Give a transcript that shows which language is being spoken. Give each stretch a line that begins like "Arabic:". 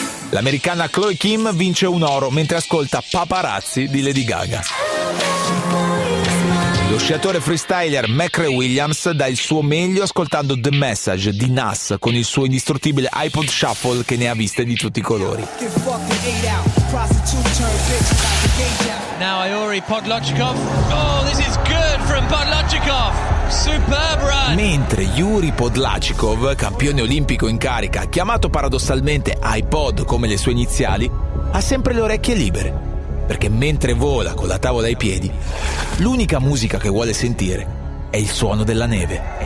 Italian: L'americana Chloe Kim vince un oro mentre ascolta Paparazzi di Lady Gaga. Lo sciatore freestyler Macre Williams dà il suo meglio ascoltando The Message di Nas con il suo indistruttibile iPod Shuffle che ne ha viste di tutti i colori.
English: Now Iori Podlogikov. Oh, this is good from Podlogikov. Superb run.
Italian: Mentre Yuri Podlogikov, campione olimpico in carica, chiamato paradossalmente iPod come le sue iniziali, ha sempre le orecchie libere. Perché mentre vola con la tavola ai piedi, l'unica musica che vuole sentire è il suono della neve.